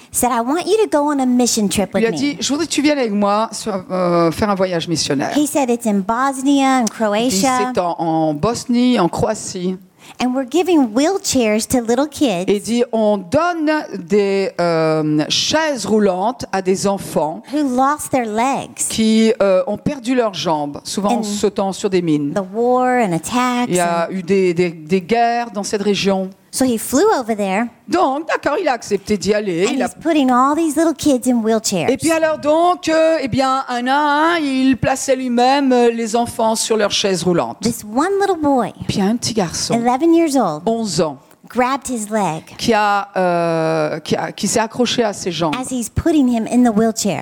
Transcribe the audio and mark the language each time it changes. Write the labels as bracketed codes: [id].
[en] said, I want you to go on a mission trip with [fr] me. Il a dit, je voudrais que tu viennes avec moi sur, faire un voyage missionnaire. [en] He said, it's in Bosnia and Croatia. [fr] Il dit, c'est en Bosnie, en Croatie. [en] And we're giving wheelchairs to little kids. [fr] Et dit, on donne des chaises roulantes à des enfants [en] who lost their legs. [fr] Qui ont perdu leurs jambes, souvent [en] and [fr] en sautant sur des mines. [en] The war and attacks. [fr] Il y a eu des guerres dans cette région. [en] So he flew over there. [fr] Donc, d'accord, il a accepté d'y aller. [en] And he's putting all these little kids in wheelchairs. [fr] Et puis alors donc, eh bien, un à un, il plaçait lui-même les enfants sur leurs chaises roulantes. [en] This one little boy. [fr] Puis un petit garçon. [en] 11 years old. [fr] 11 ans. [en] Grabbed his leg. [fr] Qui s'est accroché à ses jambes. [en] As he's putting him in the wheelchair.